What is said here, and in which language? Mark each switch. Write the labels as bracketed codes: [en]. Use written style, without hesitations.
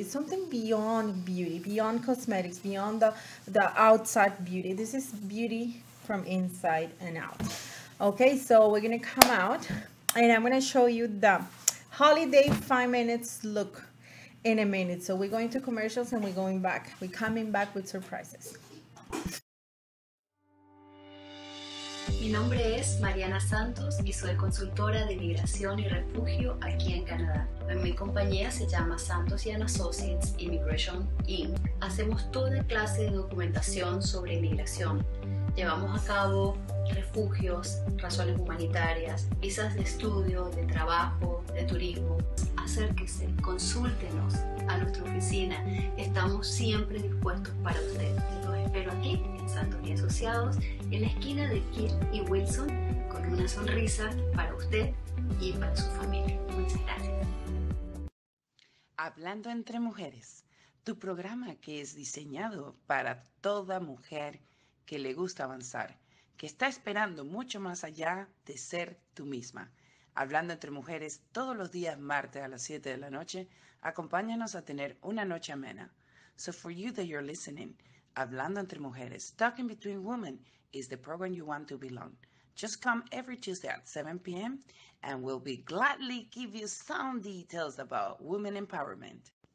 [en] It's something beyond beauty, beyond cosmetics, beyond the outside beauty. This is beauty from inside and out. Okay, so we're gonna come out, and I'm gonna show you the holiday 5 minutes look in a minute. So we're going to commercials, and we're going back. We're coming back with surprises. [es] Mi nombre es Mariana Santos y soy consultora de migración y refugio aquí en Canadá. Mi compañía se llama Santos y Associates Immigration Inc. Hacemos toda clase de documentación sobre inmigración. Llevamos a cabo refugios, razones humanitarias, visas de estudio, de trabajo, de turismo. Acérquese, consúltenos a nuestra oficina. Estamos siempre dispuestos para usted. Los espero aquí en Santos y Asociados, en la esquina de Kill y Wilson, con una sonrisa para usted y para su familia. Muchas gracias. Hablando entre mujeres, tu programa que es diseñado para toda mujer que le gusta avanzar, que está esperando mucho más allá de ser tú misma. Hablando entre mujeres, todos los días martes a las 7 de la noche, acompáñanos a tener una noche amena. [en] So for you that you're listening, Hablando entre mujeres, Talking Between Women is the program you want to belong. Just come every Tuesday at 7 p.m. and we'll be gladly give you some details about women empowerment.